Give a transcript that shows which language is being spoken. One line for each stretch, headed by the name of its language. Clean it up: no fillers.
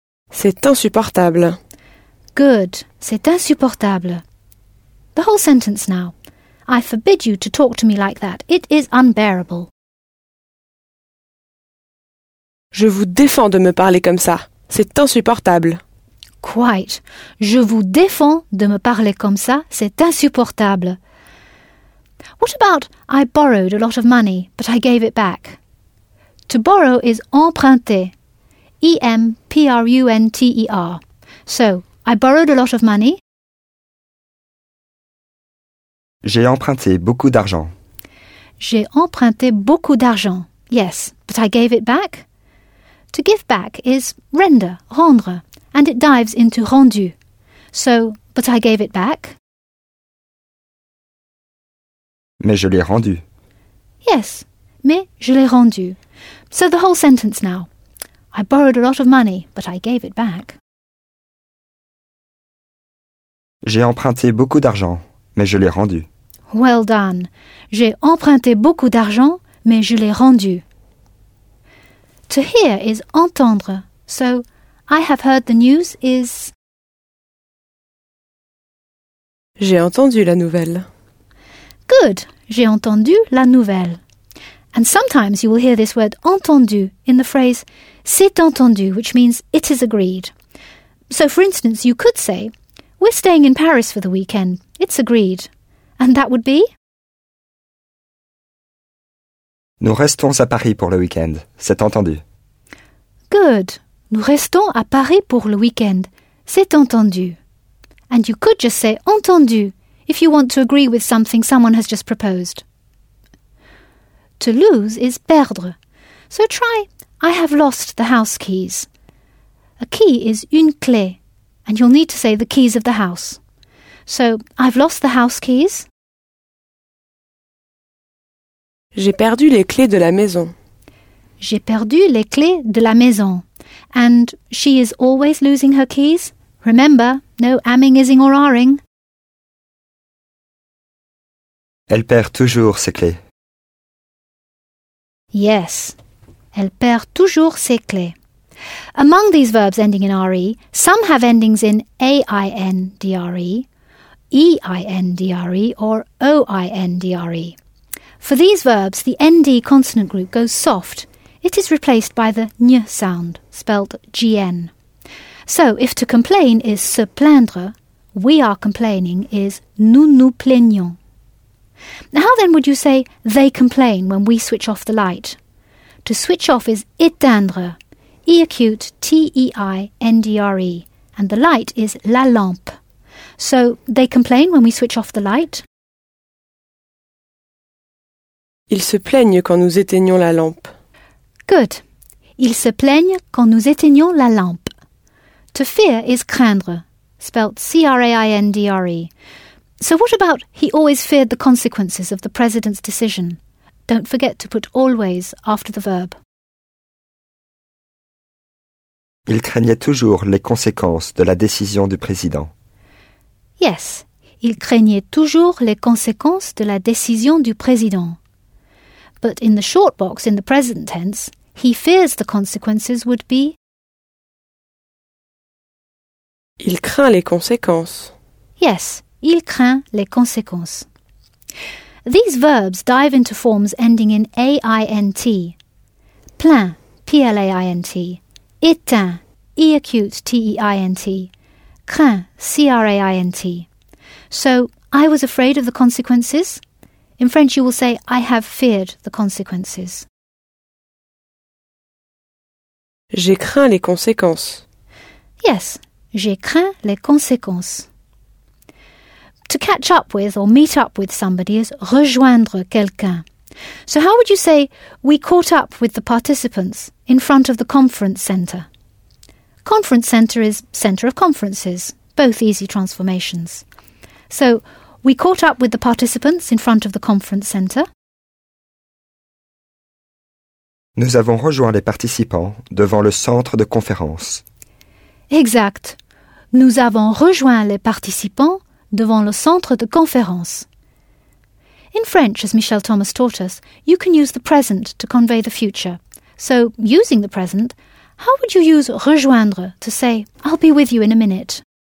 French: C'est insupportable. Good, c'est insupportable.
English: The whole sentence now. I forbid you to talk to me like that. It is unbearable.
French: Je vous défends de me parler comme ça. C'est insupportable.
English: Quite.
French: Je vous défends de me parler comme ça. C'est insupportable.
English: What about I borrowed a lot of money, but I gave it back? To borrow is emprunter. Emprunter. So, I borrowed a lot of money.
French: J'ai emprunté beaucoup d'argent. J'ai emprunté beaucoup d'argent.
English: Yes, but I gave it back. To give back is render, rendre, and it dives into rendu. So, but I gave it back.
French: Mais je l'ai rendu. Yes, mais je l'ai rendu.
English: So the whole sentence now. I borrowed a lot of money, but I gave it back.
French: J'ai emprunté beaucoup d'argent, mais je l'ai rendu.
English: Well done.
French: J'ai emprunté beaucoup d'argent, mais je l'ai rendu.
English: To hear is entendre. So, I have heard the news is...
French: J'ai entendu la nouvelle.
English: Good.
French: J'ai entendu la nouvelle.
English: And sometimes you will hear this word entendu in the phrase
French: c'est entendu,
English: which means it is agreed. So, for instance, you could say, we're staying in Paris for the weekend. It's agreed. And that would be...
French: Nous restons à Paris pour le week-end. C'est entendu.
English: Good.
French: Nous restons à Paris pour le week-end. C'est entendu.
English: And you could just say entendu if you want to agree with something someone has just proposed. To lose is perdre. So try, I have lost the house keys. A key is une clé. And you'll need to say the keys of the house. So, I've lost the house keys.
French: J'ai perdu les clés de la maison. J'ai perdu les clés de la maison.
English: And she is always losing her keys. Remember, no amming, ising or aring.
French: Elle perd toujours ses clés. Yes, elle perd toujours ses clés.
English: Among these verbs ending in re, some have endings in aindre, eindre or oindre. For these verbs, the nd consonant group goes soft. It is replaced by the ny sound, spelt gn. So, if to complain is se plaindre, we are complaining is
French: nous nous plaignons.
English: How then would you say they complain when we switch off the light? To switch off is éteindre, e acute t e I n d r e, and the light is la lampe. So, they complain when we switch off the light?
French: Ils se plaignent quand nous éteignons la lampe.
English: Good.
French: Ils se plaignent quand nous éteignons la lampe.
English: To fear is craindre, spelt C-R-A-I-N-D-R-E. So what about he always feared the consequences of the president's decision? Don't forget to put always after the verb.
French: Il craignait toujours les conséquences de la décision du président.
English: Yes.
French: Il craignait toujours les conséquences de la décision du président.
English: But in the short box in the present tense, he fears the consequences would be...
French: Il craint les conséquences. Yes, il craint les conséquences.
English: These verbs dive into forms ending in aint. Plaint, plaint.
French: Éteint, e-acute, t-e-i-n-t. Craint, c-r-a-i-n-t.
English: So, I was afraid of the consequences. In French, you will say, I have feared the consequences.
French: J'ai craint les conséquences. Yes, j'ai craint les conséquences.
English: To catch up with or meet up with somebody is
French: rejoindre quelqu'un.
English: So how would you say we caught up with the participants in front of the conference centre? Conference centre is centre of conferences, both easy transformations. So we caught up with the participants in front of the conference centre.
French: Nous avons rejoint les participants devant le centre de conférence. Exact. Nous avons rejoint les participants devant le centre de conférence.
English: In French, as Michel Thomas taught us, you can use the present to convey the future. So, using the present, how would you use rejoindre to say, I'll be with you in a minute?